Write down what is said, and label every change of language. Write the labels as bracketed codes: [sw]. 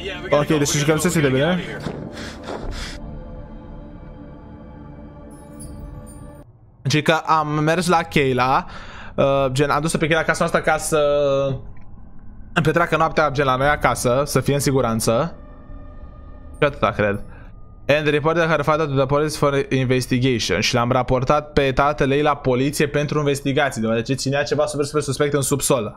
[ro] Ok, deci își găsesc de bine. Deci că am mers la Kayla, gen, am dus-o pe Kayla acasă noastră ca să petreacă noaptea, gen, la noi acasă, să fie în siguranță. Și atâta, cred. [en] And reported her father to the police for investigation. [ro] Și l-am raportat pe tatăl ei la poliție pentru investigații. Deoarece ținea ceva super, super suspect în subsol.